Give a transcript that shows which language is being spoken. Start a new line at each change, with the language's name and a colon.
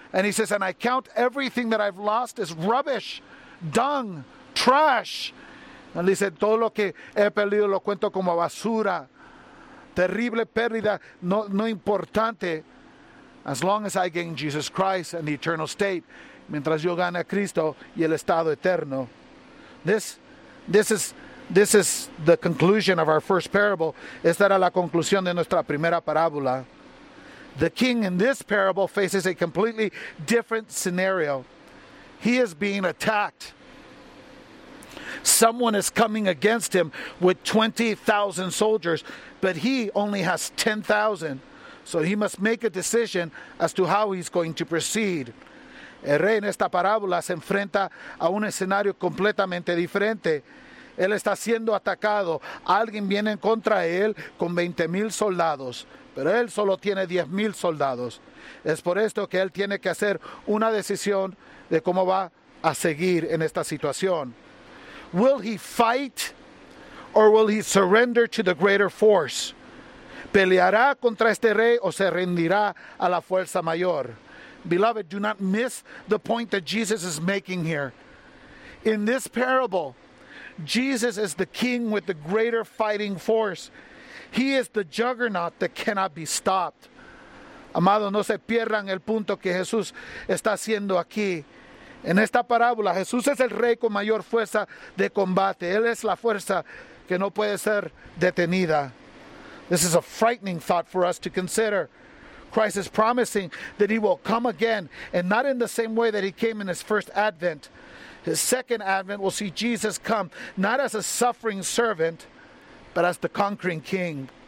English: And he says, and I count everything that I've lost as rubbish, dung, trash. And he said,
Spanish: todo lo que he perdido lo cuento como basura. Terrible pérdida, no importante.
English: As long as I gain Jesus Christ and the eternal state.
Spanish: Mientras yo gane a Cristo y el estado eterno.
English: This is the conclusion of our first parable.
Spanish: Esta era la conclusión de nuestra primera parábola.
English: The king in this parable faces a completely different scenario. He is being attacked. Someone is coming against him with 20,000 soldiers, but he only has 10,000. So he must make a decision as to how he's going to proceed.
Spanish: El rey en esta parábola se enfrenta a un escenario completamente diferente. Él está siendo atacado. Alguien viene contra él con 20,000 soldados, pero él solo tiene 10,000 soldados. Es por esto que él tiene que hacer una decisión de cómo va a seguir en esta situación.
English: Will he fight or will he surrender to the greater force?
Spanish: ¿Peleará contra este rey o se rendirá a la fuerza mayor?
English: Beloved, do not miss the point that Jesus is making here. In this parable, Jesus is the king with the greater fighting force. He is the juggernaut that cannot be stopped.
Spanish: Amado, no se pierdan el punto que Jesús está haciendo aquí. En esta parábola, Jesús es el rey con mayor fuerza de combate. Él es la fuerza que no puede ser detenida.
English: This is a frightening thought for us to consider. Christ is promising that he will come again, and not in the same way that he came in his first advent. His second advent will see Jesus come, not as a suffering servant, but as the conquering king.